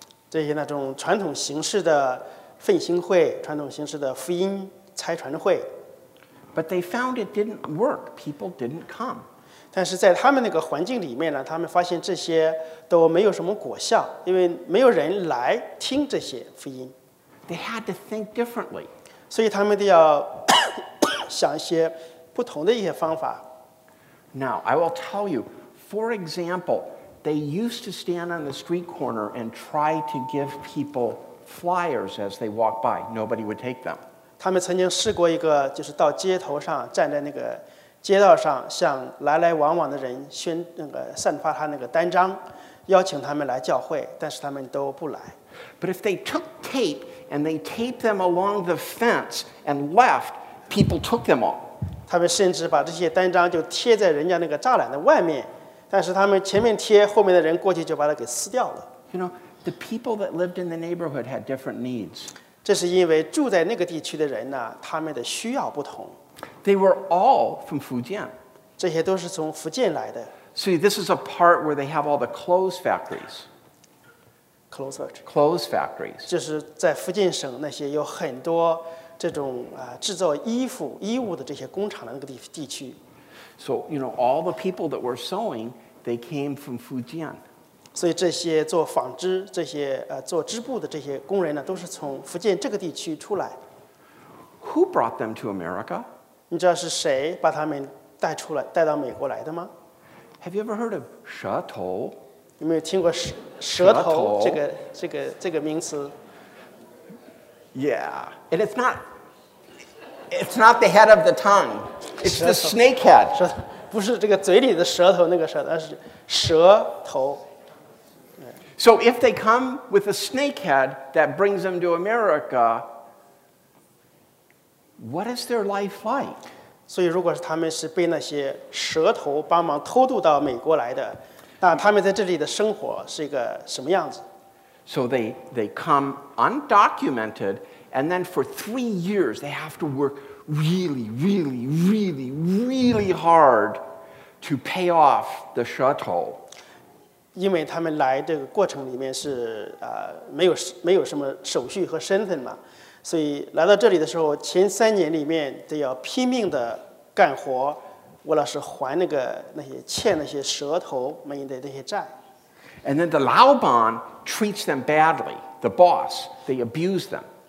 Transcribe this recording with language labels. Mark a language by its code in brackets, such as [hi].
[zh] 这些那种传统形式的奉兴会，传统形式的福音拆传会。 [en] But they found it didn't work. People didn't come. [zh] 但是在他们那个环境里面呢，他们发现这些都没有什么果效，因为没有人来听这些福音。 [en] They had to think differently. [zh] 所以他们得要想一些不同的一些方法。 [en] Now, I will tell you, for example, they used to stand on the street corner and try to give people flyers as they walked by. Nobody would take them. [zh] 他们曾经试过一个，就是到街头上，站在那个街道上，向来来往往的人宣那个散发他那个单张，邀请他们来教会，但是他们都不来。 [en] But if they took tape and they taped them along the fence and left, people took them all. [zh] 他们甚至把这些单张就贴在人家那个栅栏的外面，但是他们前面贴，后面的人过去就把它给撕掉了。 [en] You know, the people that lived in the neighborhood had different needs. [zh] 这是因为住在那个地区的人呢，他们的需要不同。 [en] They were all from Fujian. [zh] 这些都是从福建来的。 [en] So this is a part where they have all the clothes factories. Clothes factories. Clothes factories. [zh] 就是在福建省那些有很多这种制造衣服衣物的这些工厂的那个地区。 [en] So you know all the people that were sewing, they came from Fujian. [zh] 所以这些做纺织、这些做织布的这些工人呢，都是从福建这个地区出来。 [en] Who brought them to America? [zh] 你知道是谁把他们带出来、带到美国来的吗 [en] ？Have you ever heard of 蛇头？ [zh] 有没有听过蛇头这个名词 [en] ？Yeah, and it's not the head of the tongue. It's the snake head. [zh] 不是这个嘴里的蛇头那个蛇，而是蛇头。 [en] So if they come with a snake head that brings them to America, what is their life like? [zh] 所以如果他们是被那些蛇头帮忙偷渡到美国来的，那他们在这里的生活是一个什么样子？ [en] So they come undocumented, and then for 3 years they have to work really, really, really, really hard to pay off the 蛇头。 [zh] 因为他们来这个过程里面是没有什么手续和身份嘛，所以来到这里的时候，前3年里面都要拼命的干活，为了是还那个那些欠那些蛇头们的那些债。 [en] And then the 老板 treats them badly, the boss, they abuse them.